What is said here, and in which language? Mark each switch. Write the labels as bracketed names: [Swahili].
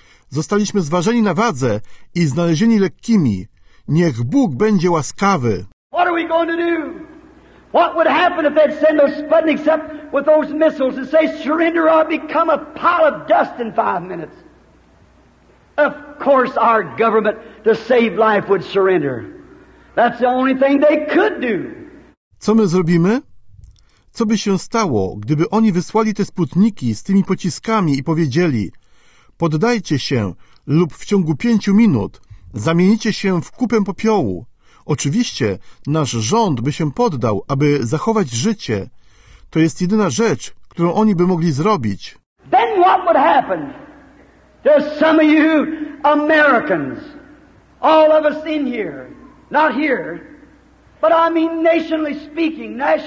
[Polish] Zostaliśmy zważeni na wadze i znalezieni lekkimi. Niech Bóg będzie łaskawy. [English] What are we going to do? What would happen if they'd send those Sputniks up with those missiles and say, surrender or become a pile of dust in 5 minutes? Of course our government to save life would surrender. That's the only thing they could do. [Polish] Co my zrobimy? Co by się stało, gdyby oni wysłali te Sputniki z tymi pociskami i powiedzieli, poddajcie się lub w ciągu 5 minut zamienicie się w kupę popiołu. Oczywiście nasz rząd by się poddał, aby zachować życie. To jest jedyna rzecz, którą oni by mogli zrobić. [English] Then what would happen to some of you Americans, all of us in here, not here, but I mean nationally speaking.